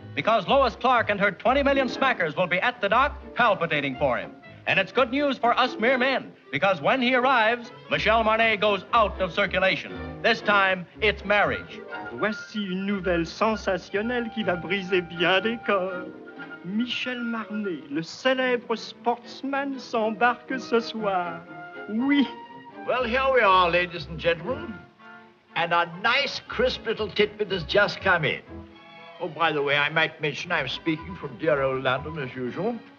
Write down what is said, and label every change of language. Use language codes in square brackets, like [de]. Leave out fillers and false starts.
[en] Because Lois Clark and her 20 million smackers will be at the dock palpitating for him. And it's good news for us mere men, because when he arrives, Michel Marnet goes out of circulation. This time, it's marriage. [fr] Voici une nouvelle sensationnelle qui va briser bien des corps. Michel Marnet, le célèbre sportsman, s'embarque ce soir. Oui. [en] Well, here we are, ladies and gentlemen. And a nice, crisp little tidbit has just come in. Oh, by the way, I might mention I'm speaking from dear old London, as usual.